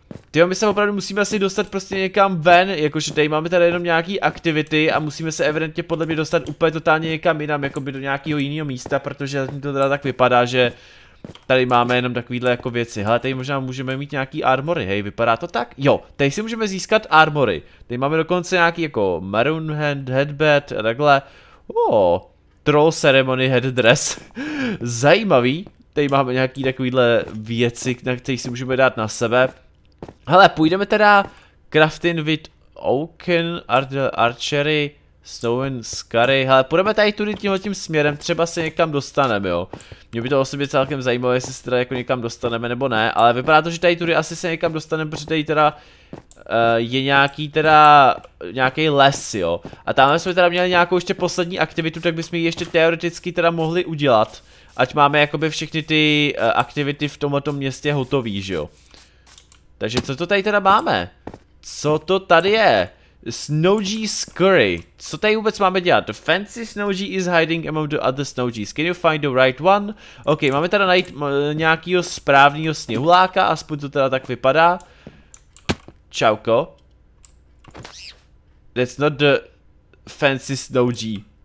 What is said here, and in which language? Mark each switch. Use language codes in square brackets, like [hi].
[cs] Tyjo, my se opravdu musíme asi dostat prostě někam ven, jakože tady máme tady jenom nějaký aktivity a musíme se evidentně podle mě dostat úplně totálně někam jinam, jakoby do nějakého jiného místa, protože zatím to teda tak vypadá, že tady máme jenom takovýhle jako věci. Hele, tady možná můžeme mít nějaký armory, hej, vypadá to tak? Jo, tady si můžeme získat armory. Tady máme dokonce nějaký jako maroon hand, headband a takhle. [en] Oh, troll ceremony headdress. [cs] Zajímavý, tady máme nějaký takovýhle věci, na které si můžeme dát na sebe. Hele, půjdeme teda [en] crafting with oaken, archery, snowen, scary. [cs] Hele, půjdeme tady tudy tímhletím směrem, třeba se někam dostaneme, jo. Mě by to osobně celkem zajímalo, jestli se teda jako někam dostaneme nebo ne, ale vypadá to, že tady tudy asi se někam dostaneme, protože tady teda je nějaký teda, nějaký les, jo. A tamhle jsme teda měli nějakou ještě poslední aktivitu, tak bychom ji ještě teoreticky teda mohli udělat, ať máme jakoby všechny ty aktivity v tomto městě hotový, že jo. Takže co to tady teda máme? Co to tady je? Snowgee Scurry. Co tady vůbec máme dělat? [en] Fancy Snowgee is hiding among the other Snowgees. Can you find the right one? [cs] Ok, máme teda najít nějakýho správného sněhuláka, aspoň to teda tak vypadá. Čauko. [en] That's not the fancy Snowgee.